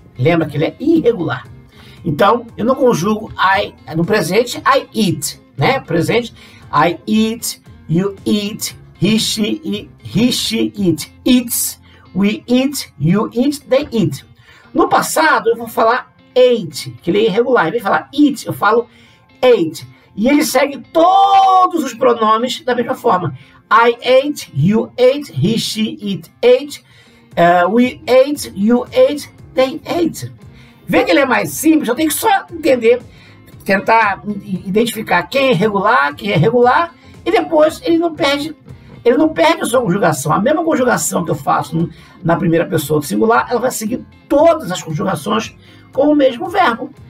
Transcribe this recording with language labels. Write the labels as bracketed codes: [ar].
[pt] Lembra que ele é irregular. Então, eu não conjugo I no presente, [en] I eat, [pt] né? [en] Presente, I eat, you eat, he, she, it, eats, we eat, you eat, they eat. [pt] No passado, eu vou falar ate, que ele é irregular. Em vez de falar eat, eu falo ate. E ele segue todos os pronomes da mesma forma. [en] I ate, you ate, he, she, it, ate, we ate, you ate, they ate. [pt] Vê que ele é mais simples, eu tenho que só entender, tentar identificar quem é irregular, quem é regular, e depois ele não perde a sua conjugação. A mesma conjugação que eu faço na primeira pessoa do singular, ela vai seguir todas as conjugações com o mesmo verbo.